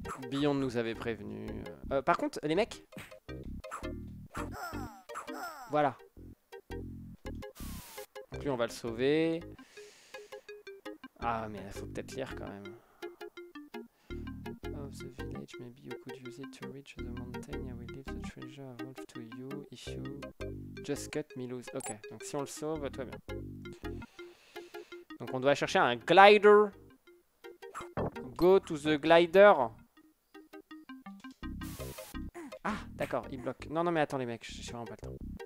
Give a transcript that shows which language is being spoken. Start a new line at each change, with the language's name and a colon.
French: Beyond nous avait prévenu. Par contre, les mecs. Voilà. Donc lui, on va le sauver. Ah, mais il faut peut-être lire quand même.
English: Of the village, maybe you could use it to reach the mountain. I will leave the treasure evolve to you if you just cut me loose.
French: Ok, donc si on le sauve, tout va bien. Donc on doit chercher un glider.
English: Go to the glider.
French: Ah, d'accord, il bloque. Non, non, mais attends les mecs, j'ai vraiment pas le temps.